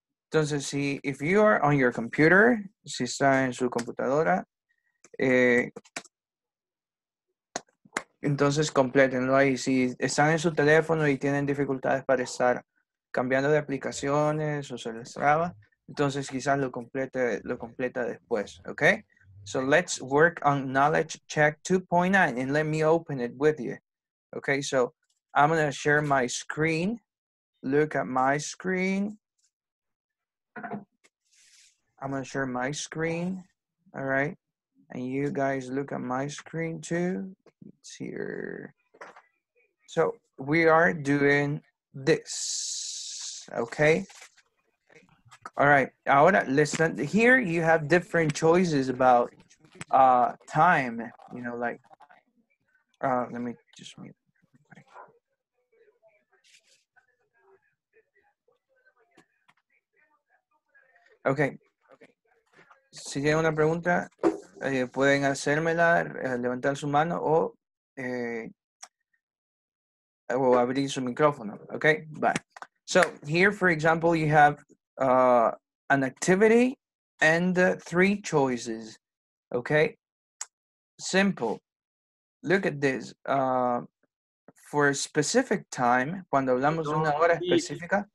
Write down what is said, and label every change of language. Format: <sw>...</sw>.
<es>Entonces,</es> <en>if you are on your computer,</en> <es>si está en su computadora, Entonces, complétenlo ahí. Si están en su teléfono y tienen dificultades para estar cambiando de aplicaciones o se les traba, entonces quizás lo complete después, okay?</es> <en>So let's work on knowledge check 2.9 and let me open it with you. Okay, so I'm gonna share my screen. Look at my screen. I'm gonna share my screen, all right? And you guys look at my screen too. It's here. So we are doing this, okay? All right, ahora listen, here you have different choices about time, you know, like, let me just mute. Okay.</en> <es>Si tienen una pregunta, pueden hacérmela, levantar su mano o abrir su micrófono.</es> <en>Okay, bye. So here, for example, you have an activity and three choices. Okay, simple. Look at this. For a specific time,</en> <es>cuando hablamos de una hora específica.</es>